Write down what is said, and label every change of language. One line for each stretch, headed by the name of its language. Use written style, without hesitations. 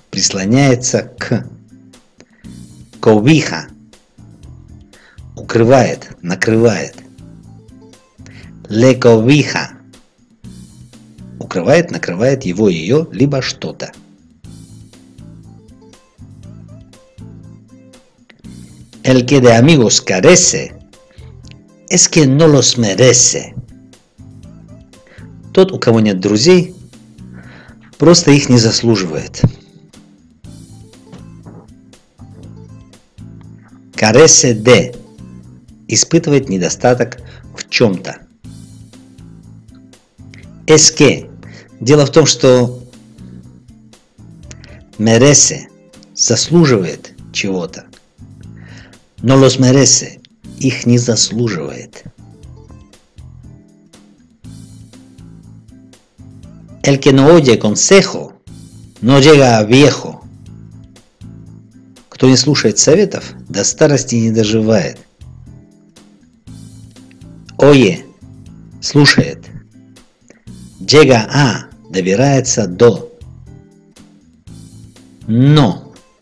Russian: Прислоняется к. Ковиха. Укрывает, накрывает. Ле ковиха. Укрывает, накрывает его, ее, либо что-то.
Spanish: El que de amigos carece, es que no los merece.
Russian: Тот, у кого нет друзей, просто их не заслуживает.
Spanish: Carece de.
Russian: Испытывает недостаток в чем-то.
Spanish: Es que.
Russian: Дело в том, что merece. Заслуживает чего-то.
Spanish: No los merece.
Russian: Их не заслуживает.
Spanish: El que no oye consejo, no llega a viejo.
Russian: Кто не слушает советов, до старости не доживает.
Spanish: Oye,
Russian: слушает.
Spanish: Llega a,
Russian: добирается до.
Spanish: No.